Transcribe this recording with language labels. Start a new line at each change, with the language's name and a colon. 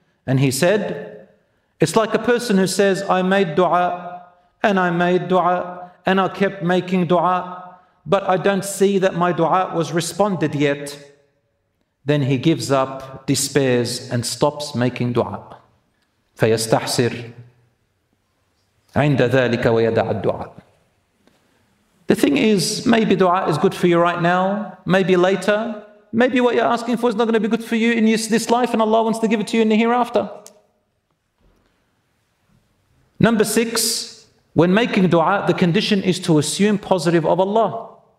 English: And he said, it's like a person who says, I made dua, and I made dua, and I kept making dua, but I don't see that my dua was responded yet. Then he gives up, despairs, and stops making dua.
Arabic: فيستحسر عند ذلك ويدع الدعاء.
English: The thing is, maybe dua is good for you right now, maybe later. Maybe what you're asking for is not going to be good for you in this life, and Allah wants to give it to you in the hereafter. Number six, when making dua, the condition is to assume positive of Allah.